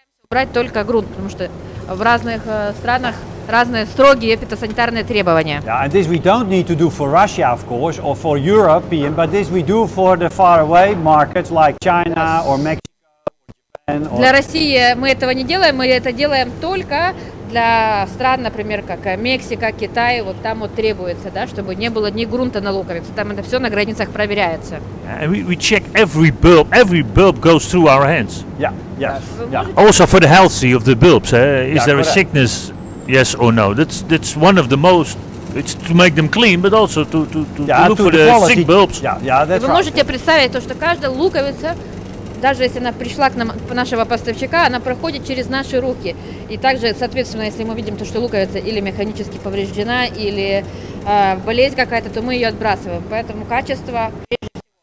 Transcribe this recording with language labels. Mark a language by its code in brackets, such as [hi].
[ru] Брать только грунт, потому что в разных странах разные строгие фитосанитарные требования. [en] Yeah, and this we don't need to do for Russia, of course, or for European, but this we do for the far away markets like China or Mexico or Japan. [ru] Для России мы этого не делаем, мы это делаем только для стран, например, как Мексика, Китай, вот там вот требуется, да, чтобы не было ни грунта на луковице, там это все на границах проверяется. [en] And we check every bulb goes through our hands. Yeah, yes. Yeah. Also for the healthy of the bulbs, is there a sickness, yes or no? That's one of the most, it's to make them clean, but also to look for the sick bulbs. Yeah, [ru] вы можете представить то, что каждая луковица, даже если она пришла к нам по нашего поставщика, она проходит через наши руки. И также, соответственно, если мы видим то, что луковица или механически повреждена, или болезнь какая-то, то мы ее отбрасываем. Поэтому качество прежде всего.